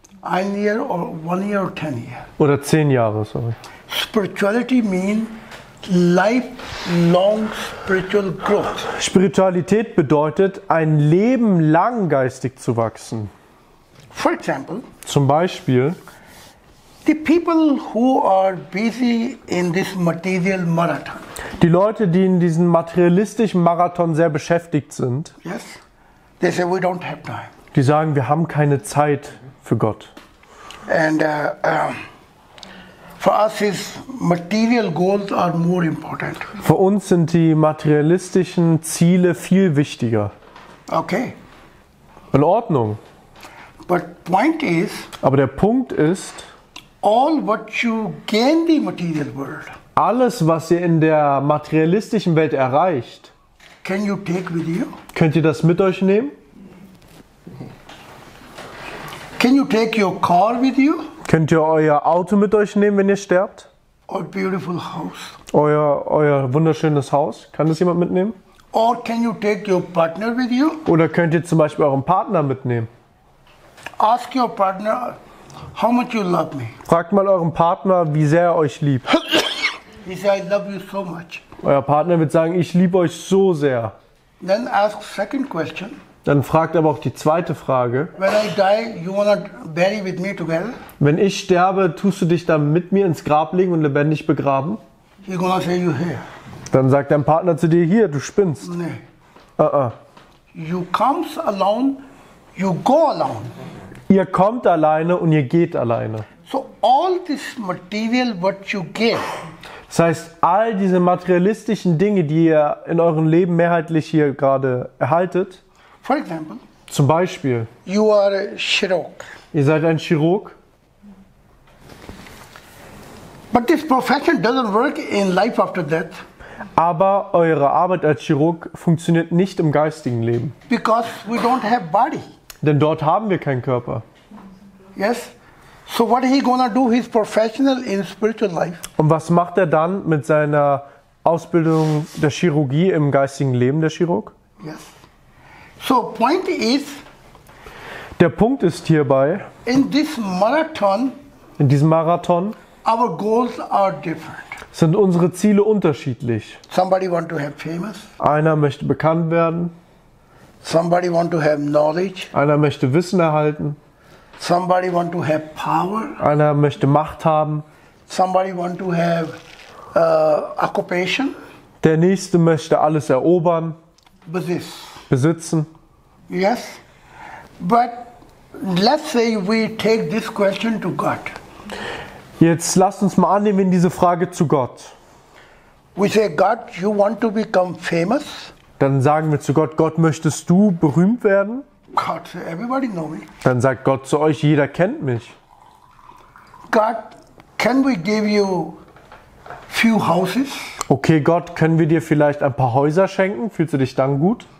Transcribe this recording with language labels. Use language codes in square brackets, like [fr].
[en] 1 year or 1 year or 10 years. [de] Oder 10 Jahre, sorry. [en] Spirituality means lifelong spiritual growth. [de] Spiritualität bedeutet, ein Leben lang geistig zu wachsen. [en] For example, [de] zum Beispiel, [en] the people who are busy in this material marathon. [de] Die Leute, die in diesem materialistischen Marathon sehr beschäftigt sind. [en] Yes, they say we don't have time. [de] Die sagen, wir haben keine Zeit für Gott. [en] And for us is material goals are more important. [de] Für uns sind die materialistischen Ziele viel wichtiger. [en] Okay. [de] In Ordnung. [en] But point is, [de] aber der Punkt ist, [en] all what you gain the material world. [de] Alles, was ihr in der materialistischen Welt erreicht. [en] Can you take with you? [de] Könnt ihr das mit euch nehmen? [en] Can you take your car with you? [de] Könnt ihr euer Auto mit euch nehmen, wenn ihr sterbt? [en] Or beautiful house. [de] Euer wunderschönes Haus. Kann das jemand mitnehmen? [en] Or can you take your partner with you? [de] Oder könnt ihr zum Beispiel euren Partner mitnehmen? [en] Ask your partner, how much you love me. [de] Fragt mal euren Partner, wie sehr er euch liebt. [en] He said, I love you so much. [de] Euer Partner wird sagen, ich liebe euch so sehr. [en] Then ask second question. [de] Dann fragt aber auch die zweite Frage. [en] When I die, you wanna bury with me together? [de] Wenn ich sterbe, tust du dich dann mit mir ins Grab legen und lebendig begraben? [en] He gonna say you here. [de] Dann sagt dein Partner zu dir, hier, du spinnst. Nee. [en] You comes alone, you go alone. [de] Ihr kommt alleine und ihr geht alleine. [en] So all this material what you get. [de] Das heißt, all diese materialistischen Dinge, die ihr in eurem Leben mehrheitlich hier gerade erhaltet. [en] For example, [de] zum Beispiel. [en] You are a Chirurg. [de] Ihr seid ein Chirurg. [en] But this profession doesn't work in life after death. [de] Aber eure Arbeit als Chirurg funktioniert nicht im geistigen Leben. [en] Because we don't have body. [de] Denn dort haben wir keinen Körper. [en] Yes. So what he gonna do his professional in spiritual life? [de] Und was macht er dann mit seiner Ausbildung der Chirurgie im geistigen Leben, der Chirurg? [en] Yes. So point is. [de] Der Punkt ist hierbei. [en] In this marathon. [de] In diesem Marathon. [en] Our goals are different. [de] Sind unsere Ziele unterschiedlich? [en] Somebody want to have famous. [de] Einer möchte bekannt werden. [en] Somebody want to have knowledge. [de] Einer möchte Wissen erhalten. [en] Somebody want to have power. [de] Einer möchte Macht haben. [en] Somebody want to have occupation. [de] Der nächste möchte alles erobern. Besitz. Besitzen. [en] Yes. But let's say we take this question to God. [de] Jetzt lasst uns mal annehmen diese Frage zu Gott. [en] We say, God, you want to become famous? [de] Dann sagen wir zu Gott, Gott, möchtest du berühmt werden? [en] God, everybody know me. [de] Dann sagt Gott zu euch, jeder kennt mich. [en] God, can we give you few houses? [de] Okay, Gott, können wir dir vielleicht ein paar Häuser schenken? Fühlst du dich dann gut?